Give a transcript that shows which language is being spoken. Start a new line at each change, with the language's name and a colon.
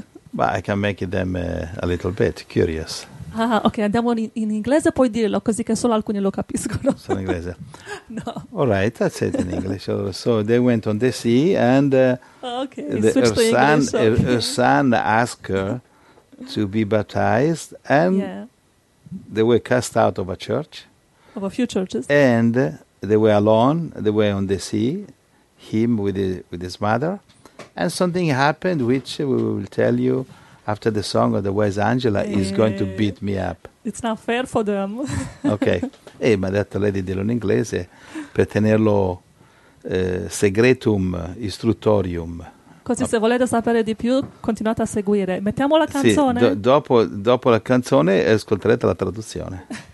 English: But I can make them a little bit curious.
Italian: Ah, ok, andiamo in inglese e puoi dirlo, così che solo alcuni lo capiscono. Sono in inglese? No.
English: All right, that's it in English. So they went on the sea and her son asked her to be baptized and they were cast out of a church. Of a few churches. And... they were alone, they were on the sea, him with his mother, and something happened which we will tell you after the song, otherwise Angela is going to beat me up. It's not fair for them. Okay.
Italian: Ma ha detto lei di dirlo in inglese per tenerlo segretum istruttorium. Così se volete sapere di più, continuate a seguire. Mettiamo la canzone. Sì, dopo la canzone ascolterete la traduzione.